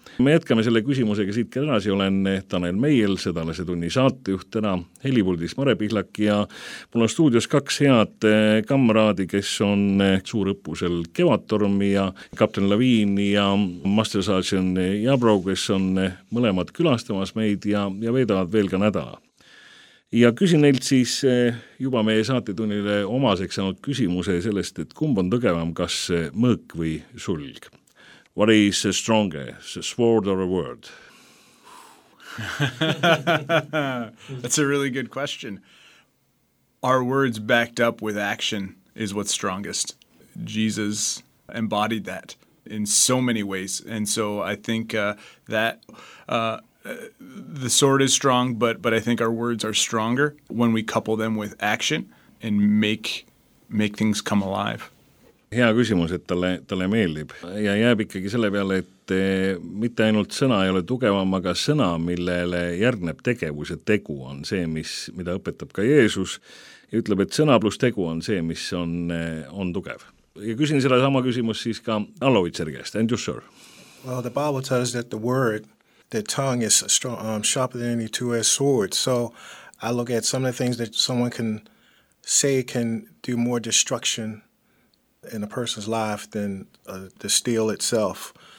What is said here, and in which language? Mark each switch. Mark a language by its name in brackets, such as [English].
[Estonian] Me jätkame selle küsimusega siit ka edasi, olen Tanel Meil, sedalase tunni saatejuht täna, helipuldis Mare Pihlak ja mul on stuudios kaks head kamraadi, kes on suur õppusel Kevatormi ja Kapten Laviin ja Master Sergeant Jabro, kes on mõlemad külastamas meid ja veedavad veel ka nädala. Ja küsin neilt siis juba meie saatetunnile omaseks saanud küsimuse sellest, et kumb on tõgevam, kas mõõk või sulg? [English] What is stronger, a sword or a word? That's a really good question. Our words backed up with action is what's strongest. Jesus embodied that in so many ways. And so I think the sword is strong, but I think our words are stronger when we couple them with action and make things come alive. [Estonian] Hea küsimus, et tale meeldib. Ja jääb ikkagi selle peale, et mitte ainult sõna ei ole tugevam, aga sõna, millele järgneb tegevus ja tegu on see, mida õpetab ka Jeesus. Ja ütleb, et sõna plus tegu on see, mis on tugev. Ja küsin selle sama küsimus siis ka Alovitseri käest. [English] And you, sir? Well, the Bible tells that the word, the tongue is strong, sharper than any two-edged sword. So I look at some of the things that someone can say can do more destruction in a person's life than the steel itself.